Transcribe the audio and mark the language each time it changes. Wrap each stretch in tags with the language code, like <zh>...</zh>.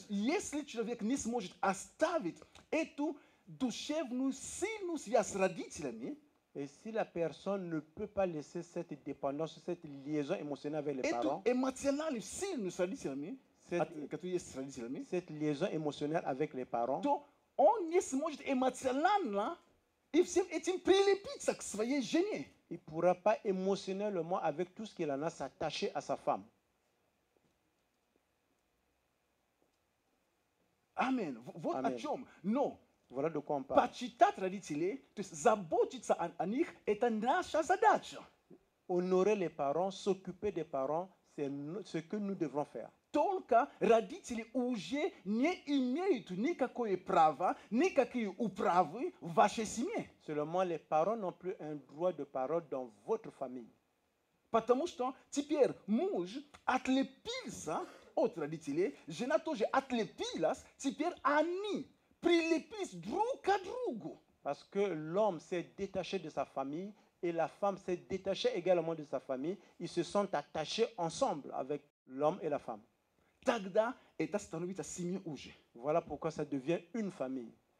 <ru>Если человек не сможет оставить эту душевную сильную связь с родителями,</ru> <fr>et si la personne ne peut pas laisser cette dépendance, cette liaison émotionnelle avec les parents,</fr> <ru>то он не сможет эмоционально и всем этим прилепиться к своей жене.</ru> <fr>Il ne pourra pas émotionnellement avec tout ce qu'il en a s'attacher à sa femme.</fr> <ru>Amen. Вот о чем. Но</ru> <fr>voilà de quoi on parle.</fr> <ru>Почитать родителей, то есть заботиться о них, это наша задача.</ru> <fr>Honorer les parents, s'occuper des parents, c'est ce que nous devons faire.</fr> <ru>Только родители уже не имеют никакого права, никакие управы в вашей семье.</ru> <fr>Seulement les parents n'ont plus un droit de parole dans votre famille.</fr> <ru>Потому что теперь муж отлепился от родителей, жена тоже отлепилась, теперь они прилепились друг к другу.</ru> <fr>Parce que l'homme s'est détaché de sa famille et la femme s'est détachée également de sa famille. Ils se sont attachés ensemble avec l'homme et la femme.</fr> <ru>Тогда это становится семьей уже.</ru> <fr>Voilà pourquoi ça devient une famille.</fr>